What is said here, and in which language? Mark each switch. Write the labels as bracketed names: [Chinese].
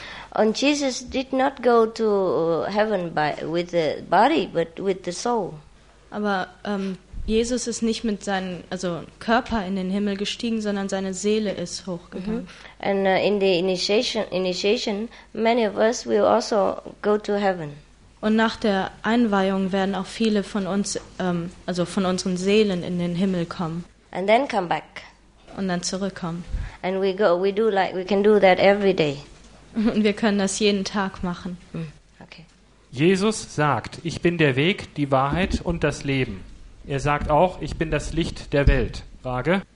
[English] And Jesus did not go to heaven with the body, but with the soul. [German] Aber Jesus ist nicht mit seinem Körper in den Himmel gestiegen, sondern seine Seele ist hochgegangen. Mm-hmm. [English] And in the initiation, many of us will also go to heaven. [German] Und nach der Einweihung werden auch viele von uns, von unseren Seelen in den Himmel kommen. [English] And then come back. [German] Und dann zurückkommen. [English] And we can do that every day. [German] Und wir können das jeden Tag machen. Okay. Jesus sagt, ich bin der Weg, die Wahrheit und das Leben. Er sagt auch, ich bin das Licht der Welt. Frage,